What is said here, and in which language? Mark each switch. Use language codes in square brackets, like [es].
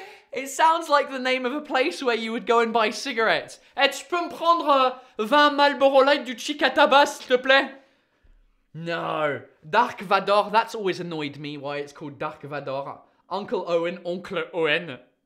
[en] It sounds like the name of a place where you would go and buy cigarettes. [fr] Et tu peux me prendre 20 Marlboro Light du Chikataba, s'il te plaît? [en] No. Dark Vador. That's always annoyed me, why it's called Dark Vador. Uncle Owen. Oncle Owen.